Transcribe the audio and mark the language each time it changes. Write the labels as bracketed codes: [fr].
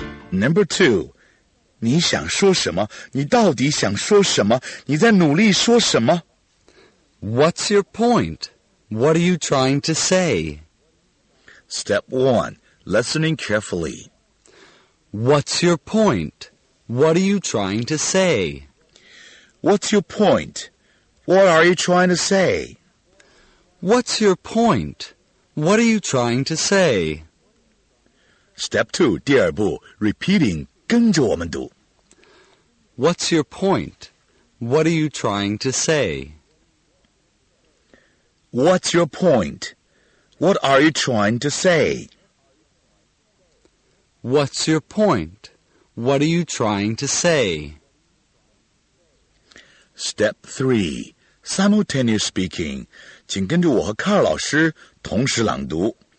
[en] Number two, [zh] 你想说什么？你到底想说什么？你在努力说什么？ [en] What's your point? What are you trying to say? Step one, listening carefully. What's your point? What are you trying to say? What's your point? What are you trying to say? What's your point? What are you trying to say? Step 2, [zh] 第二步, [en] repeating, [zh] 跟着我们读。 [en] What's your point? What are you trying to say? What's your point? What are you trying to say? What's your point? What are you trying to say? Step 3, simultaneous speaking, [zh] 请跟着我和卡尔老师同时朗读。